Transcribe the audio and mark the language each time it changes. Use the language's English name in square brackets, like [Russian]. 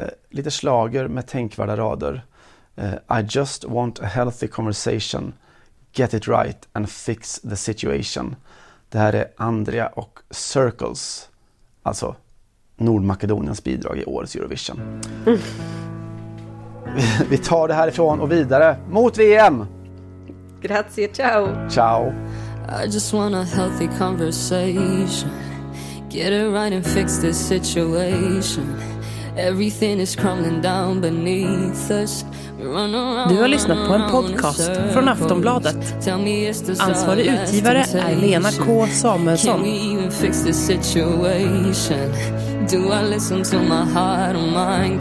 [Swedish] Lite slager med tänkvärda rader. [English] I just want a healthy conversation. Get it right and fix the situation. [Swedish] Det här är Andrea och Circles, alltså Nordmakedoniens bidrag i årets Eurovision. Vi tar det härifrån och vidare mot VM. [Italian] Grazie, ciao. Ciao. [English] I just want a healthy conversation. Get it right and fix the situation. Everything is crumbling down beneath us. [Swedish] Du har lyssnat på en podcast från Aftonbladet. Ansvarig utgivare är Lena K. Samuelsson. [English] Can we even fix the situation? Do I listen to my heart or mind?